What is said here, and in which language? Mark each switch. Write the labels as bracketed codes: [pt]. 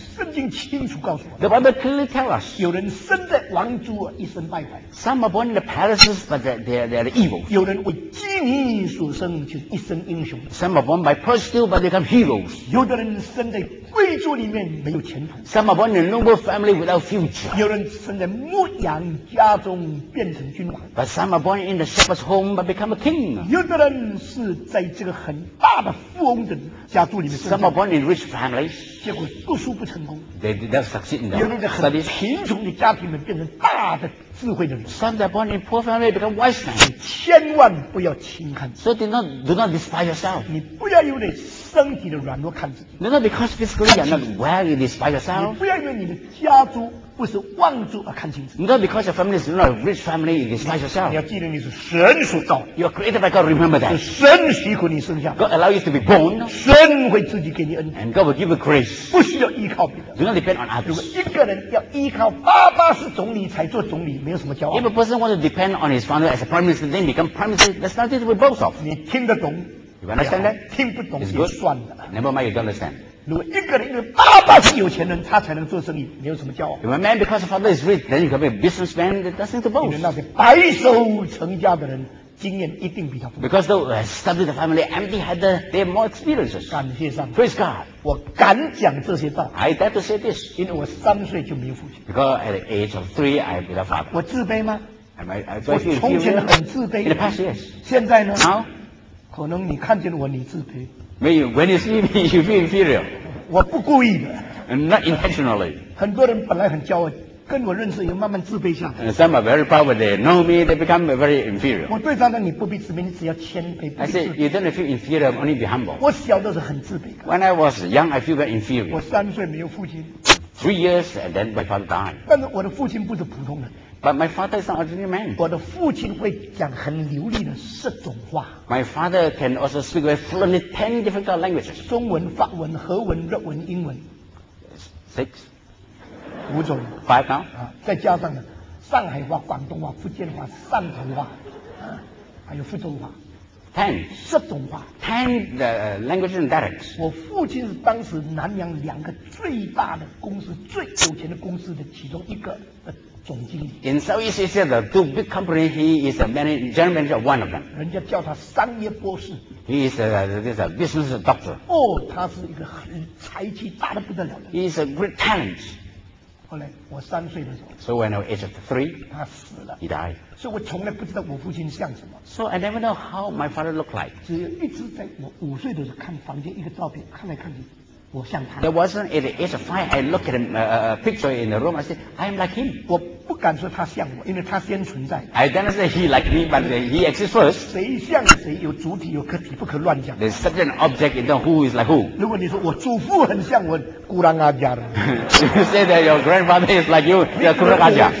[zh] 圣经清楚告诉我 [en] The Bible clearly tells us, [zh] 有人生在王族一生败坏 [en] Some are born in the palaces, but they're evil. [zh] 有人为妓女所生就一生英雄 [en] Some are born by prostitutes, but they become heroes. [zh] 有的人生在贵族里面没有前途 [en] Some are born in a noble family without future [zh] 有人生在牧羊家中变成君王 [en] But some are born in the shepherd's home but become a king [zh] 有的人是在这个很大的富翁的家族里面 [en] Some are born in rich families [zh] 结果读书不成功 [en] They did not succeed in the [zh] 有人在很贫穷的家庭里面变成大的智慧的人 [en] Some are born in poor family become wise men [zh] 你千万不要轻看 [en] So do not despise yourself [zh] 你不要有点身体的软弱看自己 [en] No, not because physically you are not well, you despise yourself [zh] 你不要因为你的家族不是望族而看清楚 [en] Not because your family is not a rich family, you despise yourself [zh] 你要记得你是神所造 [en] You are created by God, remember that [zh] 是神许可你生下 [en] God allow you to be born [zh] 神会自己给你恩 [en] And God will give you grace [zh] 不需要依靠别人 [en] Do not depend on others [zh] 如果一个人要依靠爸爸是总理才做总理没有什么骄傲 [en] If a person wants to depend on his father as a prime minister, then become prime minister, that's nothing to be boast of [zh] 你听得懂 [en] You understand that? [zh] 听不懂就算了。 [en] Never mind, you don't understand. [zh] 如果一个人因为爸爸是有钱人，他才能做生意，没有什么骄傲。 [en] If a man because father is rich, then you can be a businessman. That's nothing to boast. [zh] 因为那些白手成家的人，经验一定比较丰富。 [en] Because those established family empty-handed, they have more experiences. [zh] 感谢上帝。 [en] Praise God. [zh] 我敢讲这些道。 [en] I dare to say this. [zh] 因为我三岁就没有父亲。 [en] Because at the age of three, I have a father. [zh] 我自卑吗？ [en] Am I? [zh] 我从前很自卑。 [en] In the past, yes. [zh] 现在呢？ [en] Now. [zh] 可能你看见我，你自卑。没有 [en] ，When you see me, you feel inferior. [zh] 我不故意的。 [en] Not intentionally. [zh] 很多人本来很骄傲，跟我认识以后慢慢自卑下来。 [en] Some are very proud when they know me, they become very inferior. [zh] 我对他们你不必自卑，你只要谦卑。 [en] I say you don't feel inferior, only be humble. [zh] 我小的时候很自卑。 [en] When I was young, I feel very inferior. [zh] 我三岁没有父亲。 [en] Three years and then my father died. [zh] 但是我的父亲不是普通人。 [en] But my father is an ordinary man. [zh] 我的父亲会讲很流利的十种话。 [en] My father can also speak very fluently 10 different kind of languages. [zh] 中文、法文、荷文、日文、英文。 [en] Six. [zh] 五种。 [en] Five now. [zh] 再加上呢，上海话、广东话、福建话、汕头话，还有福州话。 [en] Ten. [zh] 十种话。 [en] Ten the languages and dialects. [zh] 我父亲是当时南洋两个最大的公司、最有钱的公司的其中一个。总经理。 [en] In Southeast Asia, the two big companies, he is a general manager of one of them. [zh] 人家叫他商业博士。 [en] He is a business doctor. [zh] 哦，他是一个很才气大得不得了。 [en] He is a great talent. [zh] 后来我三岁的时候。 [en] So when I was aged three, [zh] 他死了。 [en] He died. [zh] 所以我从来不知道我父亲像什么。 [en] So I never know how my father looked like. [zh] 只有一直在我五岁的时候看房间一个照片，看来看去。我像他。 [en] There wasn't at the age of five, I look at a picture in the room. I said, I am like him. [zh] 我不敢说他像我，因为他先存在。 [en] I didn't say he like me, but he exists first. [zh] 谁像谁有主体有客体，不可乱讲。 [en] The subject and object, you know who is like who. [zh] 如果你说我祖父很像我，孤狼阿家的。 [en] You say that your grandfather is like you, you're [zh] 孤狼阿家。